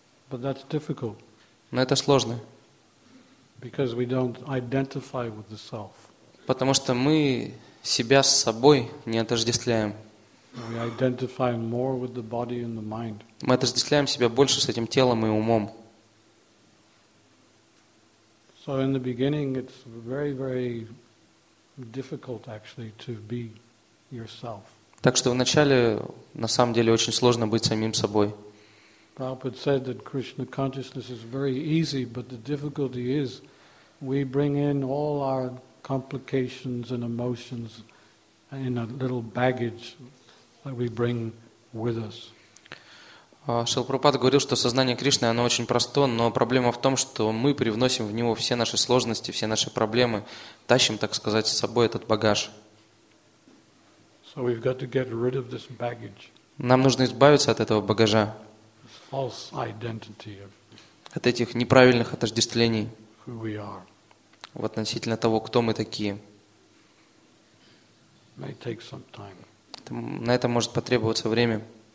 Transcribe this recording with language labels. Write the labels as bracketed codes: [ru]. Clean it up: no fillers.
[en] But that's difficult. [ru] Но это сложно. [en] Because we don't identify with the self. [ru] Потому что мы себя с собой не отождествляем. [en] We identify more with the body and the mind. [ru] Мы отождествляем себя больше с этим телом и умом. [en] So in the beginning it's very, very difficult actually to be yourself. [ru] Так что вначале на самом деле очень сложно быть самим собой. [en] Prabhupada said that Krishna consciousness is very easy, but the difficulty is we bring in all our complications and emotions in a little baggage that we bring with us. [ru] Шрила Прабхупада говорил, что сознание Кришны, оно очень просто, но проблема в том, что мы привносим в него все наши сложности, все наши проблемы, тащим, так сказать, с собой этот багаж. [en] So we've got to get rid of this baggage. [ru] Нам нужно избавиться от этого багажа. [en] False identity of [ru] от этих неправильных отождествлений [en] who we are. [ru] В относительно того, кто мы такие. [en] May take some time. [ru] На это может потребоваться время.